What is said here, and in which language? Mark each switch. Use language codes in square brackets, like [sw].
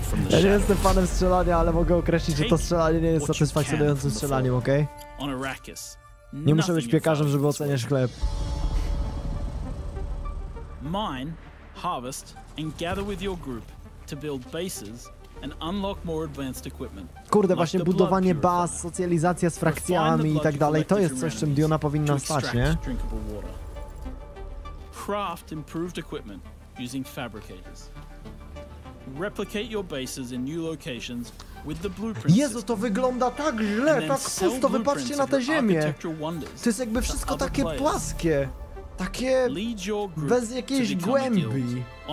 [pl] Ja nie jestem fanem strzelania, ale mogę określić, że to strzelanie nie jest satysfakcjonującym strzelaniem, okej? Okay? Nie muszę być piekarzem, żeby oceniać chleb. [en] Mine, harvest, and gather with your group to build bases and unlock more advanced equipment. [pl] Kurde, właśnie budowanie baz, socjalizacja z frakcjami i tak dalej, to jest coś, czym Diona powinna stać, nie? [en] Craft improved equipment using fabricators. Replicate your bases in new locations with the blueprints. [pl] Jezu, to wygląda tak źle, tak pusto, wypatrzcie na tę ziemię. To jest jakby wszystko takie płaskie. Takie bez jakiejś głębi.